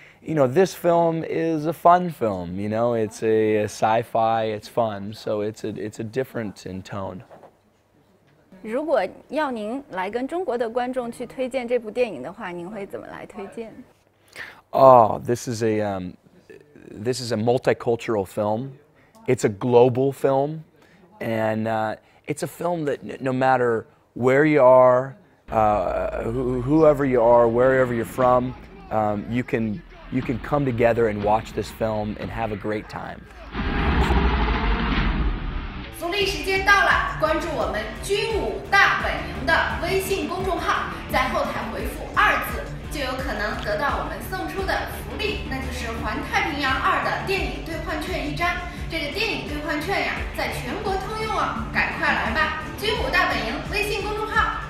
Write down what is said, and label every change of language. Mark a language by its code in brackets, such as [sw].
[en] You know, this film is a fun film, you know, it's a sci-fi, it's fun, so it's a different in tone. [zh] 如果要您来跟中国的观众去推荐这部电影的话，您会怎么来推荐？ [en] Oh, this is a multicultural film. It's a global film. And it's a film that no matter where you are, whoever you are, wherever you're from, you can come together and watch this film and have a great time. [zh] 从立时间到了，关注我们军武大本营的微信公众号，在后台回复二字就有可能得到我们送出的福利，那就是环太平洋二的电影兑换券一张。这个电影兑换券呀，在全国通用哦，赶快来吧，军武大本营微信公众号。